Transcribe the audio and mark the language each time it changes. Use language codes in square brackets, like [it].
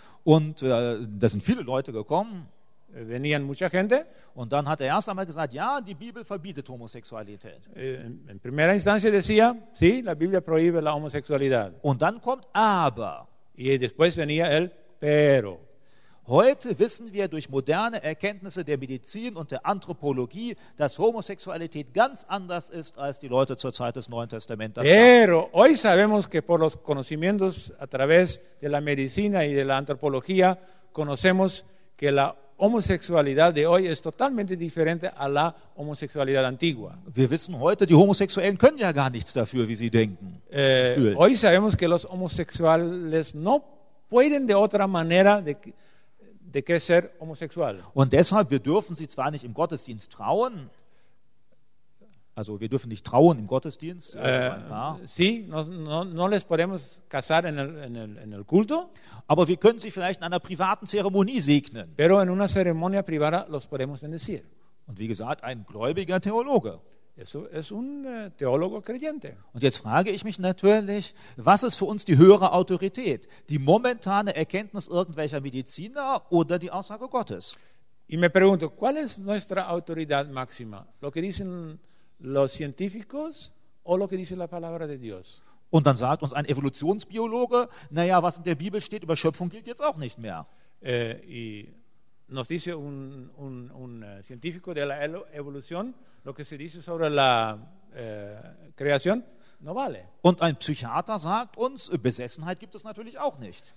[de] Und da sind viele Leute gekommen. [es] Venían mucha gente. [de] Und dann hat erst einmal gesagt, ja, die Bibel verbietet Homosexualität. [es] En primera instancia decía, sí, la Biblia prohíbe la homosexualidad. [de] Und dann kommt aber. [es] Y después venía el pero. [de] Heute wissen wir durch moderne Erkenntnisse der Medizin und der Anthropologie, dass Homosexualität ganz anders ist, als die Leute zur Zeit des Neuen Testaments. Pero haben. [es] Hoy sabemos que por los conocimientos a través de la medicina y de la antropología conocemos que la homosexualidad de hoy es totalmente diferente a la homosexualidad antigua. [de] Wir wissen heute, die Homosexuellen können ja gar nichts dafür, wie sie denken. [es] Hoy sabemos que los homosexuales no pueden de otra manera de crecer homosexual. [de] Und deshalb, wir dürfen sie zwar nicht im Gottesdienst trauen, also wir dürfen nicht trauen im Gottesdienst, [es] Sí, no les podemos casar en el culto. [de] Aber wir können sie vielleicht in einer privaten Zeremonie segnen. [es] Pero en una ceremonia privada los podemos bendecir. [de] Und wie gesagt, ein gläubiger Theologe. [es] Eso es un teólogo creyente. [de] Und jetzt frage ich mich natürlich, was ist für uns die höhere Autorität? Die momentane Erkenntnis irgendwelcher Mediziner oder die Aussage Gottes? [es] Y me pregunto, ¿cuál es nuestra autoridad máxima? Lo que dicen los científicos o lo que dice la palabra de Dios? [de] Und dann sagt uns ein Evolutionsbiologe, naja, was in der Bibel steht über Schöpfung gilt jetzt auch nicht mehr. [es] Y nos dice un científico de la evolución, lo que se dice sobre la creación, no vale. [de] Und ein Psychiater sagt uns, Besessenheit gibt es natürlich auch nicht.